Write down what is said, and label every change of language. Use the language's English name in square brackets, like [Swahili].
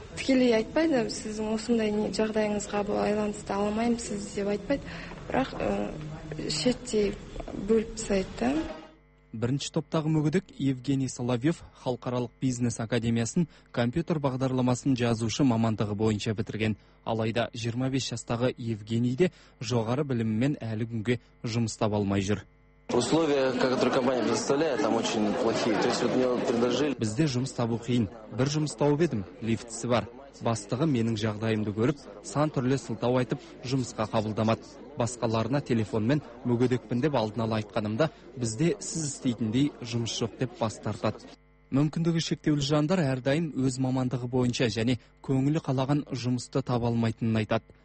[Kazakh] Тікелей айтпайды, сіздің осындай жағдайыңызға байланысты алмаймын сізді деп айтпайды, бірақ шеттей бөліп сайтты. Бірінші топтағы мүгедек Евгений Соловьев Халықаралық бизнес академиясын компьютер бағдарламасын жазушы мамандығы бойынша бітірген. Алайда 25 жастағы Евгений де жоғары біліммен әлі күнге жұмыс таба алмай жүр. [Russian] Условия, которые компания предоставляет, там очень плохие. То есть вот мне предложили. [Kazakh] Бізде жұмыс табу қиын. Бір жұмыс тауып едім, лифтісі бар. Бастығы менің жағдайымды көріп, сан түрлі сылтау айтып, жұмысқа қабылдамады. Басқаларына телефонмен мүгедекпін деп алдын ала айтқанымда, бізде сіз істейтіндей жұмыс жоқ деп бас тартады. Мүмкіндігі шектеулі жандар әрдайым өз мамандығы бойынша және көңілі қалаған жұмысты таба алмайтынын айтады.